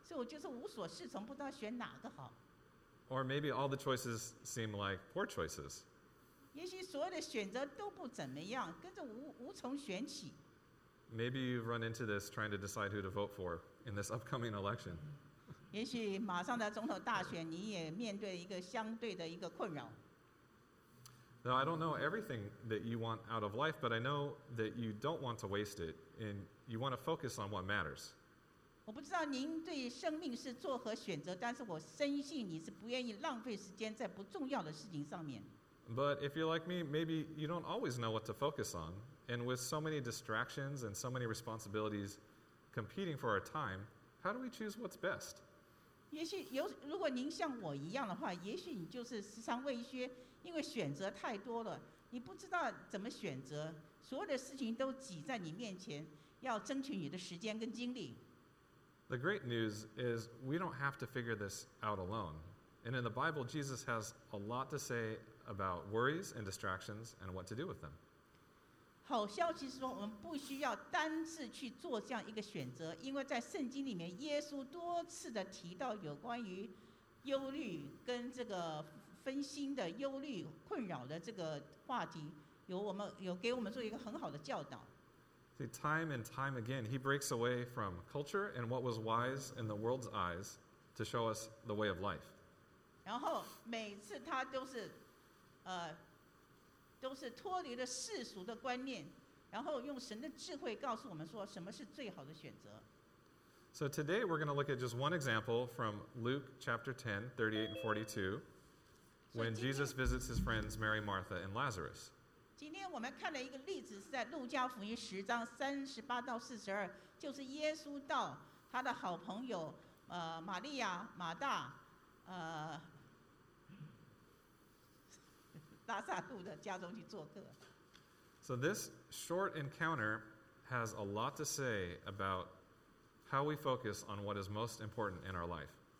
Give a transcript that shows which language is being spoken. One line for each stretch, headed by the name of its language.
Chinese: 我早就想要换一个新的手机，但是这个选择实在太多了，所以我就是无所适从，不知道选哪个好。Or
English: maybe all the choices seem like poor choices.
Chinese: 也许所有的选择都不怎么样，跟着无从选起。
English: Maybe you've run into this trying to decide who to vote for in this upcoming election.
Chinese: 也许马上的总统大选，你也面对一个相对的一个困扰。Now,
English: I don't know everything that you want out of life, but I know that you don't want to waste it, and you want to focus on what matters.
Chinese: 我不知道您对生命是作何选择，但是我深信你是不愿意浪费时间在不重要的事情上面。But
English: if you're like me, maybe you don't always know what to focus on. And with so many distractions and so many responsibilities competing for our time, how do we choose what's best?
Chinese: 如果您像我一样的话，也许你就是时常为一些因为选择太多了，你不知道怎么选择，所有的事情都挤在你面前，要争取你的时间跟精力。
English: The great news is we don't have to figure this out alone. And in the Bible, Jesus has a lot to say about worries and distractions and what to do with them.
Chinese: 好消息是说，我们不需要单次去做这样一个选择，因为在圣经里面，耶稣多次的提到有关于忧虑跟这个分心的忧虑困扰的这个话题，有给我们做一个很好的教导。
English: See, time and time again, he breaks away from culture and what was wise in the world's eyes to show us the way of life.
Chinese: 然后每次他都是脱离了世俗的观念，然后用神的智慧告诉我们说什么是最好的选择。
English: So today we're going to look at just one example from Luke chapter 10, 38 and 42, when Jesus visits his friends Mary, Martha, and Lazarus.
Chinese: 今天我们看了一个例子，是在路加福音十章三十八到四十二，就是耶稣到他的好朋友玛利亚、马大、拉撒路的家中去做客。
English: So this short encounter has a lot to say about how we focus on what is most important in our life.